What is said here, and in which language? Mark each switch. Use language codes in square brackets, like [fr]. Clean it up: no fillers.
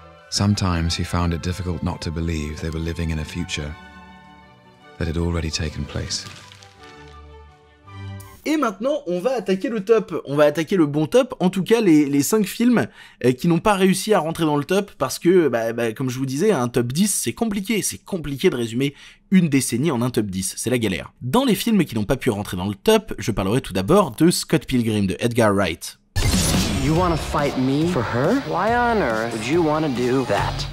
[en] Sometimes he found it difficult not to believe they were living in a future that had already taken place. [fr] Et maintenant, on va attaquer le top. On va attaquer le bon top. En tout cas, les 5 films qui n'ont pas réussi à rentrer dans le top. Parce que, comme je vous disais, un top 10, c'est compliqué. C'est compliqué de résumer une décennie en un top 10. C'est la galère. Dans les films qui n'ont pas pu rentrer dans le top, je parlerai tout d'abord de Scott Pilgrim de Edgar Wright. [en] You wanna fight me for her? Why on earth would you wanna do that?